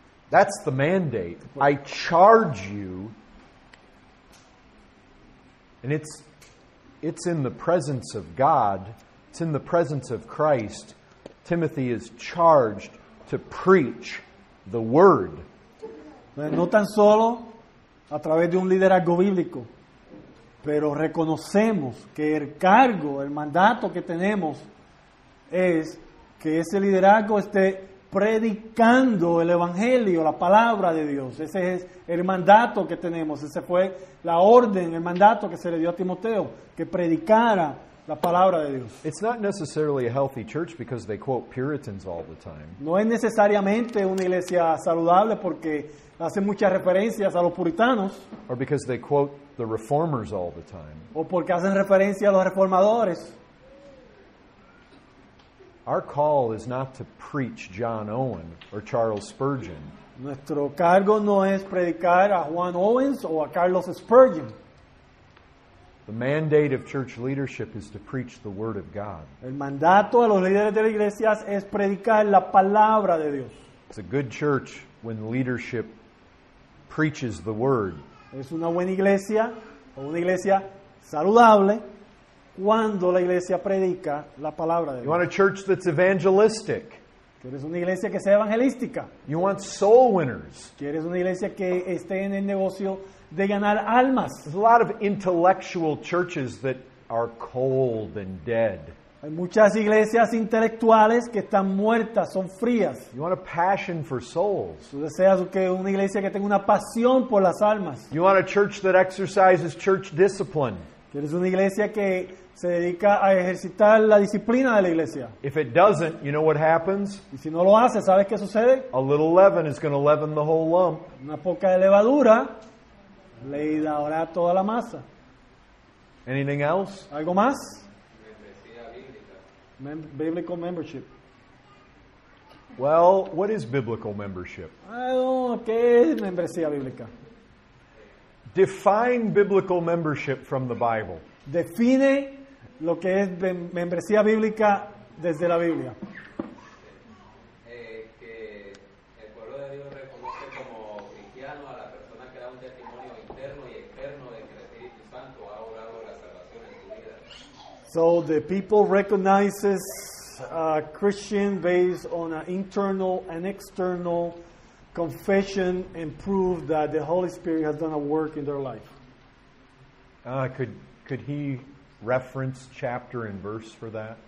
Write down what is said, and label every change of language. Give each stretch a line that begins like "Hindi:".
English: That's the mandate. I charge you, and it's in the presence of God, it's in the presence of Christ, Timothy is charged to preach the Word.
Spanish: No tan solo a través de un liderazgo bíblico, pero reconocemos que el cargo, el mandato que tenemos es que ese liderazgo esté predicando el Evangelio, la Palabra de Dios. Ese es el mandato que tenemos. Ese fue la orden, el mandato que se le dio a Timoteo, que predicara la Palabra de Dios.
English: It's not necessarily a healthy church because they quote Puritans all the time.
Spanish: No es necesariamente una iglesia saludable porque hace muchas referencias a los puritanos.
English: Or because they quote the reformers all the time.
Spanish: O porque hacen referencia a los reformadores.
English: Our call is not to preach John Owen or Charles Spurgeon.
Spanish: Nuestro cargo no es predicar a Juan Owens o a Carlos Spurgeon.
English: The mandate of church leadership is to preach the Word of God.
Spanish: El mandato de los líderes de las iglesias es predicar la Palabra de Dios.
English: It's a good church when leadership preaches the Word.
Spanish: Es una buena iglesia, o una iglesia saludable, cuando la iglesia predica la Palabra de Dios.
English: You want a church that's evangelistic.
Spanish: ¿Quieres una iglesia que sea evangelística?
English: You want soul winners.
Spanish: ¿Quieres una iglesia que esté en el negocio de ganar almas?
English: There's a lot of intellectual churches that are cold and dead.
Spanish: Hay muchas iglesias intelectuales que están muertas, son frías.
English: You want a passion for souls.
Spanish: Tú deseas que una iglesia que tenga una pasión por las almas.
English: You want a church that exercises church discipline.
Spanish: ¿Quieres una iglesia que se dedica a ejercitar la disciplina de la iglesia?
English: If it doesn't, you know what happens?
Spanish: Y si no lo hace, ¿sabes qué sucede?
English: A little leaven is going to leaven the whole lump.
Spanish: Una poca de levadura leudará toda la masa.
English: Anything else?
Spanish: ¿Algo más?
English: Biblical membership. Well, what is biblical membership?
Spanish: ¿Qué es membresía bíblica?
English: Define biblical membership from the Bible.
Spanish: Define lo que es membresía bíblica desde la Biblia. Que el pueblo de Dios reconoce como cristiano a la persona que da un testimonio interno y externo de que el Espíritu Santo ha obrado la salvación en tu vida.
English: So the people recognizes a Christian based on an internal and external confession and prove that the Holy Spirit has done a work in their life. Could he reference chapter and verse for that?